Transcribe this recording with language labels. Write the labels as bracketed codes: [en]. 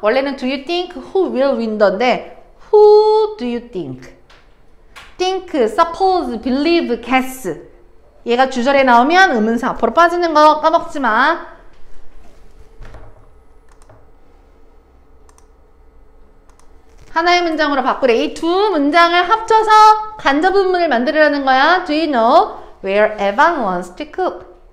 [en] 원래는 do you think who will win던데, who do you think? think, suppose, believe, guess. [ko] 얘가 주절에 나오면 의문사 앞으로 빠지는 거 까먹지 마. 하나의 문장으로 바꾸래. 이 두 문장을 합쳐서 간접 문문을 만들으라는 거야. [en] Do you know where Evan wants to cook?